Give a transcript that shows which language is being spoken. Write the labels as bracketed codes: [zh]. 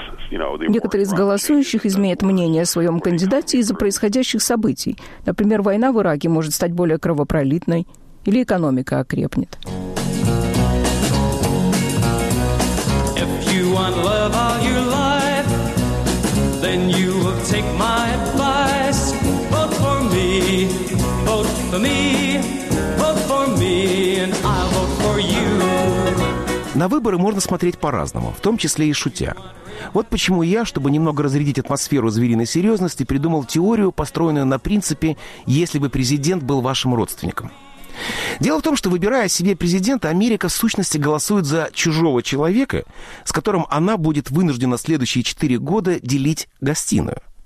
[ru] Некоторые из голосующих изменят мнение о своем кандидате из-за происходящих событий. Например, война в Ираке может стать более кровопролитной, или экономика окрепнет. [en] You want love all your life, then you will take my advice. Vote for me, vote for me, vote for me, and I'll vote for you. [ru] На выборы можно смотреть по-разному, в том числе и шутя. Вот почему я, чтобы немного разрядить атмосферу звериной серьезности, придумал теорию, построенную на принципе «если бы президент был вашим родственником». Дело в том, что, выбирая себе президента, Америка в сущности голосует за чужого человека, с которым она будет вынуждена следующие 4 года делить гостиную.